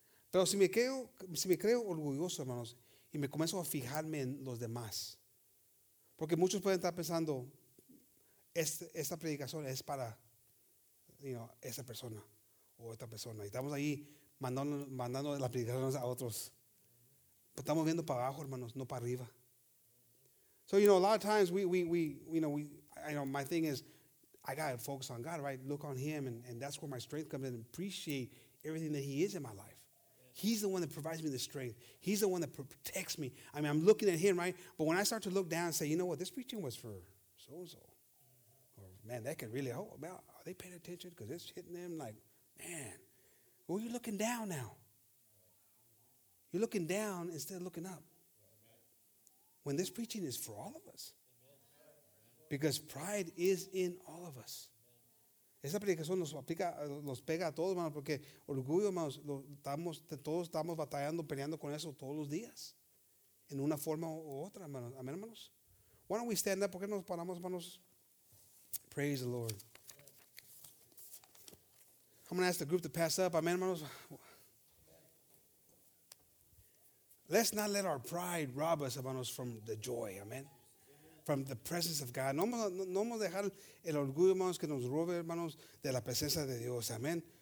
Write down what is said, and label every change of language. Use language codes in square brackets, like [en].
[es] Pero si me creo orgulloso, hermanos, y me comienzo a fijarme en los demás. Porque muchos pueden estar pensando, esta predicación es para, you know, esa persona o esta persona. Y estamos ahí mandando las predicaciones a otros. Pero estamos viendo para abajo, hermanos, no para arriba. [en] So, you know, a lot of times my thing is, I got to focus on God, right? Look on him, and that's where my strength comes in, and appreciate everything that he is in my life. He's the one that provides me the strength. He's the one that protects me. I mean, I'm looking at him, right? But when I start to look down and say, you know what, this preaching was for so-and-so. Or, man, that could really, oh, man, are they paying attention? Because it's hitting them like, man, well, you're looking down now. You're looking down instead of looking up. When this preaching is for all of us. Because pride is in all of us. [es] Esa predicación los pega a todos, hermanos, porque orgullo, hermanos, todos estamos batallando, peleando con eso todos los días, en una forma u otra, hermanos. Amén, hermanos. [en] Why don't we stand up? [es] ¿Por qué nos paramos, hermanos? [en] Praise the Lord. I'm going to ask the group to pass up. [es] Amén, hermanos. [en] Let's not let our pride rob us, hermanos, from the joy. Amén. From the presence of God. [es] No vamos a dejar el orgullo, hermanos, que nos robe, hermanos, de la presencia de Dios. Amén.